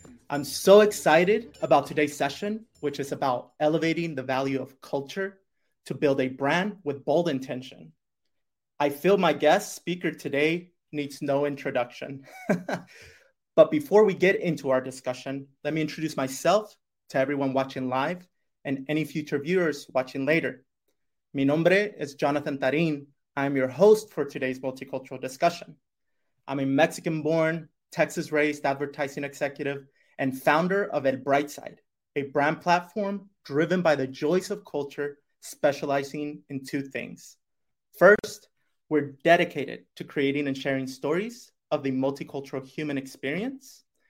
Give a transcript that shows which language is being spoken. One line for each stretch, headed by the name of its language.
English: I'm so excited about today's session, which is about elevating the value of culture to build a brand with bold intention. I feel my guest speaker today needs no introduction. But before we get into our discussion, let me introduce myself to everyone watching live and any future viewers watching later.
Spanish: Mi nombre es Jonathan Tarin.
English: I'm your host for today's multicultural discussion. I'm a Mexican-born, Texas-raised advertising executive and founder of El Brightside, a brand platform driven by the joys of culture, specializing in two things. First, we're dedicated to creating and sharing stories of the multicultural human experience.